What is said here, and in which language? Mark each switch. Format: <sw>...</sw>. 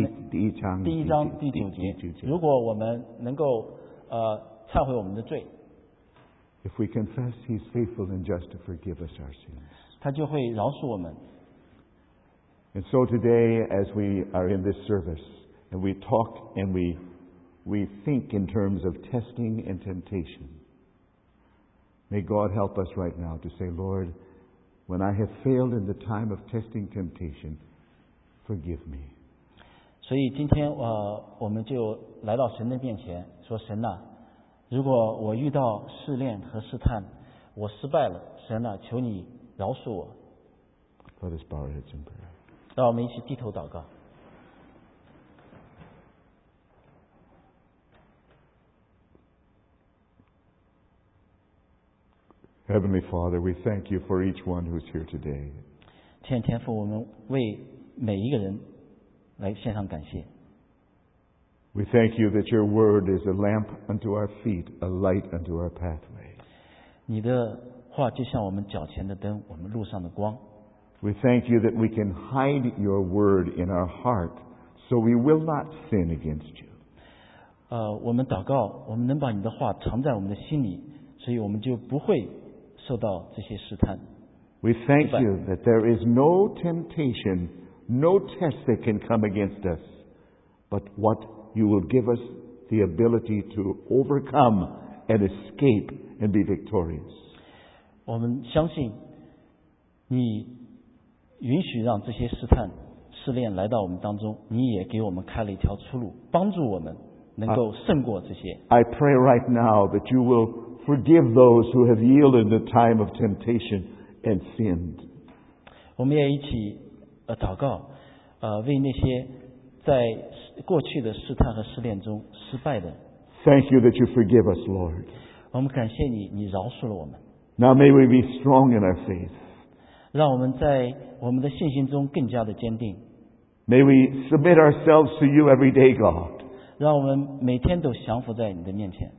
<zh>第一章第九节，如果我们能够忏悔我们的罪。</zh> <en>If we confess, he's faithful and just to forgive us our sins.</en> <zh>他就会饶恕我们。</zh> <en>And so today, as we are in this service, and we talk and we think in terms of testing and temptation, may God help us right now to say, Lord, when I have failed in the time of testing temptation, forgive me.</en> <zh>所以今天我们就来到神的面前，说神啊，如果我遇到试炼和试探，我失败了，神啊，求你饶恕我。</zh> <en>Let us bow our heads in prayer.</en> <zh>让我们一起低头祷告。</zh> <en>Heavenly Father, we thank you for each one who's here today.</en> <zh>天父，天父，我们为每一个人来献上感谢。</zh> <en>We thank you that your word is a lamp unto our feet, a light unto our pathway.</en> <zh>你的话就像我们脚前的灯，我们路上的光。</zh> <en>We thank you that we can hide your word in our heart, so we will not sin against you.</en> <zh>我们祷告，我们能把你的话藏在我们的心里，所以我们就不会受到这些试探。</zh> <en>We thank you that there is no temptation, no test that can come against us, but what you will give us the ability to overcome and escape and be victorious.</en> <zh>我们相信你允许让这些试探试炼来到我们当中，你也给我们开了一条出路，帮助我们能够胜过这些。</zh> <en>I pray right now that you will forgive those who have yielded the time of temptation and sinned.</en> <zh>我们也一起祷告为那些在过去的试探和试炼中失败的。</zh> <en>Thank you that you forgive us, Lord.</en> <zh>我们感谢你，你饶恕了我们。</zh> <en>Now may we be strong in our faith.</en> <zh>让我们在我们的信心中更加的坚定。</zh> <en>May we submit ourselves to you every day, God.</en> <zh>让我们每天都降服在你的面前。</zh>